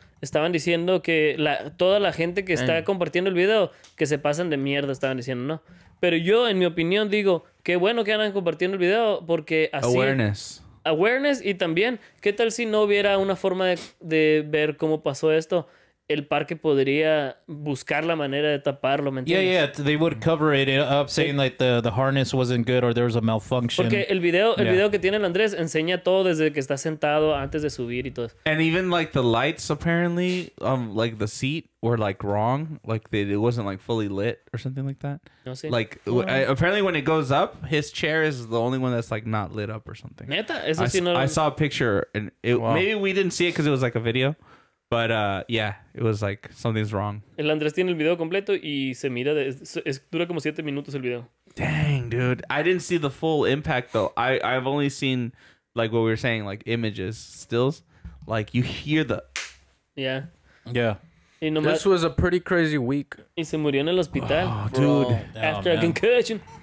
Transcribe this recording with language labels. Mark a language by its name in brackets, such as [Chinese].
[Spanish] Estaban diciendo que toda la gente que está compartiendo el video, que se pasan de mierda, estaban diciendo, ¿no? Pero yo, en mi opinión, digo, qué bueno que andan compartiendo el video porque así... [English] Awareness [Spanish] y también, ¿qué tal si no hubiera una forma de ver cómo pasó esto? El parque podría buscar la manera de taparlo, ¿me entiendes? [English] Yeah, yeah, they would cover it up saying like the harness wasn't good or there was a malfunction. [Spanish] Porque el video que tiene el Andrés enseña todo desde que está sentado antes de subir y todo eso. [English] And even like the lights apparently, like the seat were like wrong, like it wasn't like fully lit or something like that. [Spanish] No sé. [English] Like apparently when it goes up, his chair is the only one that's like not lit up or something. [Spanish] ¿Neta? Eso sí no [English] lo... I saw a picture and it, wow. Maybe we didn't see it because it was like a video. But yeah, it was like something's wrong. [Spanish] El Andrés tiene el video completo y se mira. Dura como 7 minutos el video. [English] Dang, dude, I didn't see the full impact though. I've only seen like what we were saying, like images, stills. Like you hear the. Yeah. Yeah. [Spanish] Y nomás, [English] this was a pretty crazy week. [Spanish] Y se murió en el hospital. [English] Oh, dude. After a concussion.